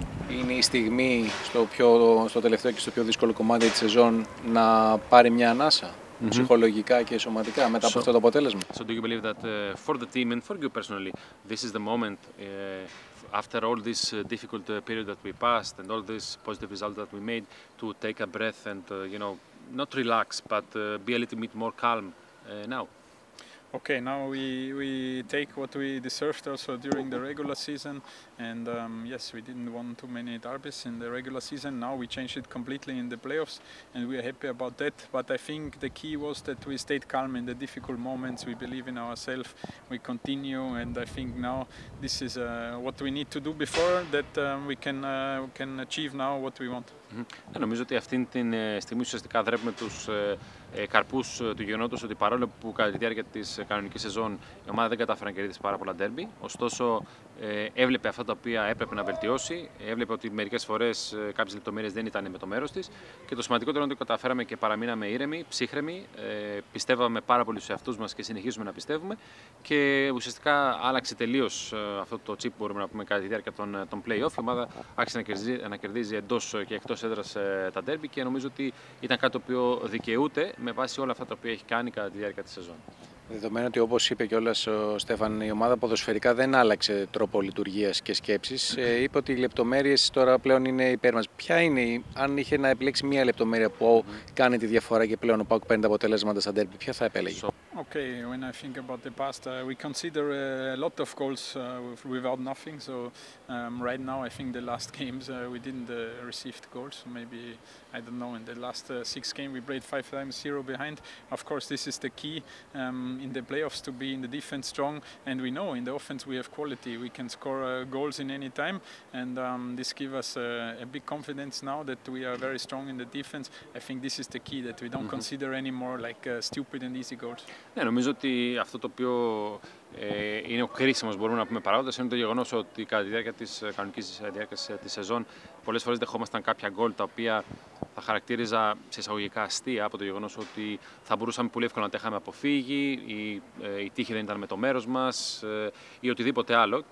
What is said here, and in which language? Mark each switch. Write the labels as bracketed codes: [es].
[el] είναι η στιγμή στο τελευταίο και στο πιο δύσκολο κομμάτι της σεζόν να πάρει μια ανάσα ψυχολογικά και σωματικά μετά από αυτό το αποτέλεσμα. [en] So do you believe that for the team and for you personally, this is the moment after all this difficult period that we passed and all this positive result that we made to take a breath and you know, not relax but be a little bit more calm now? Okay, now we take what we deserved also during the regular season, and yes, we didn't want too many derbies in the regular season. Now we changed it completely in the playoffs, and we are happy about that. But I think the key was that we stayed calm in the difficult moments. We believe in ourselves. We continue, and I think now this is what we need to do before that we can achieve now what we want. [el] Ναι, νομίζω ότι αυτή τη στιγμή ουσιαστικά δρέπουμε τους καρπούς του γεγονότος ότι παρόλο που κατά τη διάρκεια της κανονικής σεζόν η ομάδα δεν κατάφερε να κερδίσει πάρα πολλά ντέρμπι. Ωστόσο, έβλεπε αυτά τα οποία έπρεπε να βελτιώσει. Έβλεπε ότι μερικές φορές κάποιες λεπτομέρειες δεν ήταν με το μέρος της. Και το σημαντικότερο είναι ότι καταφέραμε και παραμείναμε ήρεμοι, ψύχρεμοι. Πιστεύαμε πάρα πολύ στους εαυτούς μας και συνεχίζουμε να πιστεύουμε. Και ουσιαστικά άλλαξε τελείως αυτό το τσίπ, μπορούμε να πούμε, κατά τη διάρκεια των play-off. Η ομάδα άρχισε να κερδίζει εντός και εκτός έδρας τα ντέρμπι και νομίζω ότι ήταν κάτι το οποίο δικαιούται με βάση όλα αυτά τα οποία έχει κάνει κατά τη διάρκεια της σεζόν. Δεδομένου ότι όπως είπε κιόλας ο Στέφαν, η ομάδα ποδοσφαιρικά δεν άλλαξε τρόπο λειτουργίας και σκέψης. Είπε ότι οι λεπτομέρειες τώρα πλέον είναι υπέρ μας. Ποια είναι, αν είχε να επιλέξει μία λεπτομέρεια που κάνει τη διαφορά και πλέον ο ΠΑΟΚ παίρνει τα αποτελέσματα στα ντέρμπι, ποια θα επέλεγε? [en] Okay, when I think about the past, we consider a lot of goals without nothing. So right now, I think the last games we didn't receive goals. Maybe, I don't know, in the last six games we played 5-0 behind. Of course, this is the key in the playoffs to be in the defense strong. And we know in the offense we have quality. We can score goals in any time. And this gives us a big confidence now that we are very strong in the defense. I think this is the key, that we don't consider any more like stupid and easy goals. [el] Ναι, νομίζω ότι αυτό το οποίο είναι ο κρίσιμος, μπορούμε να πούμε, παράγοντας είναι το γεγονός ότι κατά τη διάρκεια της κανονικής διάρκειας της σεζόν πολλές φορές δεχόμασταν κάποια γκολ τα οποία θα χαρακτήριζα σε εισαγωγικά αστεία από το γεγονός ότι θα μπορούσαμε πολύ εύκολα να τα είχαμε αποφύγει, η τύχη δεν ήταν με το μέρος μας ή οτιδήποτε άλλο.